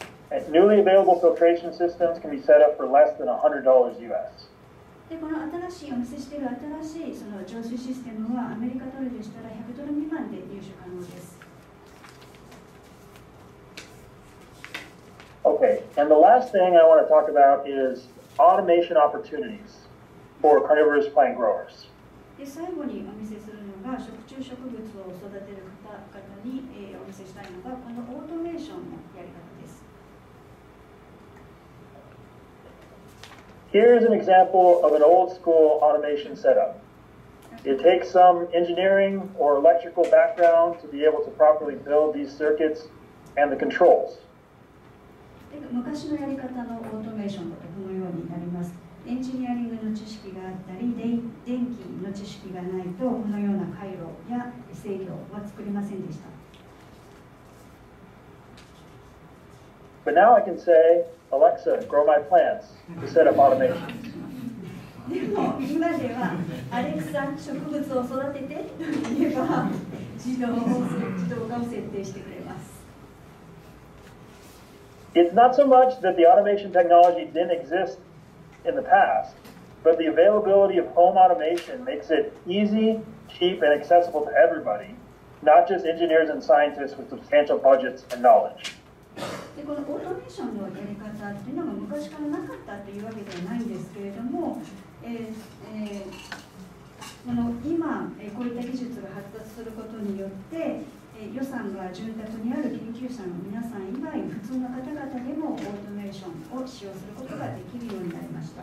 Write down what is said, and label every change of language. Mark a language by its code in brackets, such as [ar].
[en] And newly available filtration systems can be set up for less than $100 US. [ja] でこの新しいお見せしている新しいその浄水システムはアメリカドルでしたら100ドル未満で入手可能です。 [en] Okay, and the last thing I want to talk about is automation opportunities for carnivorous plant growers. [ja] で最後にお見せするのが食虫植物を育てる方に、お見せしたいのがこのオートメーションのやり方です。 [en] Here's an example of an old school automation setup. It takes some engineering or electrical background to be able to properly build these circuits and the controls. [ja] 昔のやり方のオートメーションだとこのようになります。エンジニアリングの知識があったり、電気の知識がないとこのような回路や制御は作れませんでした。 [en] But now I can say,Alexa, grow my plants to set up automation. [ja] でも今ではアレクサ植物を育てて言えば自動化を設定してくれます。 [en] It's not so much that the automation technology didn't exist in the past, but the availability of home automation makes it easy, cheap, and accessible to everybody, not just engineers and scientists with substantial budgets and knowledge. [ja] でこのオートメーションのやり方というのが昔からなかったというわけではないんですけれども、この今、こういった技術が発達することによって、予算が潤沢にある研究者の皆さん以外、普通の方々でもオートメーションを使用することができるようになりました。